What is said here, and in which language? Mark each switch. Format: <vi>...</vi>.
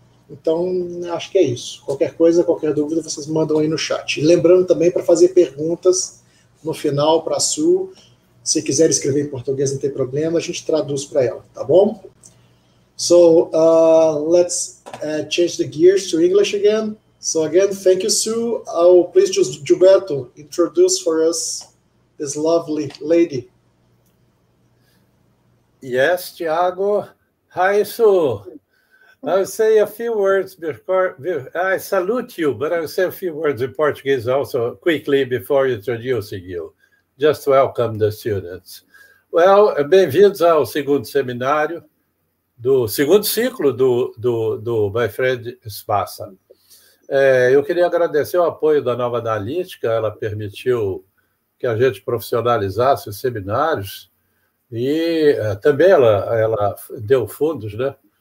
<pt>Então, acho que é isso. Qualquer coisa, qualquer dúvida, vocês mandam aí no chat. E lembrando também para fazer perguntas no final para a Su, se quiser escrever em português, não tem problema, a gente traduz para ela, tá bom?</pt> <en>So, let's change the gears to English again. So again, thank you, Sue. I'll please just Gilberto introduce for us this lovely lady. Yes, Thiago. Hi, Sue. I'll say a few words before I salute you, but I'll say a few words in Portuguese also quickly before introducing you, just to welcome the students.</en> <pt>Well, bem-vindos ao segundo seminário do segundo ciclo do My Friend MASSA. Eu queria agradecer o apoio da Nova Analítica, ela permitiu que a gente profissionalizasse os seminários, e também ela deu fundos, né?</pt>